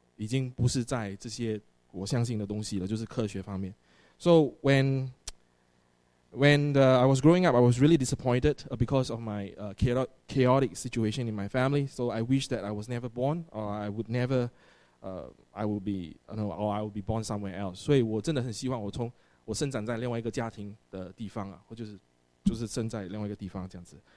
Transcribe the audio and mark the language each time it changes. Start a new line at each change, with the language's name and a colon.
Chinese: 已经不是在这些我相信的东西了，就是科学方面。
English: So when I was growing up, I was really disappointed because of my chaotic situation in my family. So I wish that I was never born, or I would never, I would be, no, or I would be born somewhere else.
Chinese: 所以我真的很希望我生长在另外一个家庭的地方啊，或就是生在另外一个地方这样子。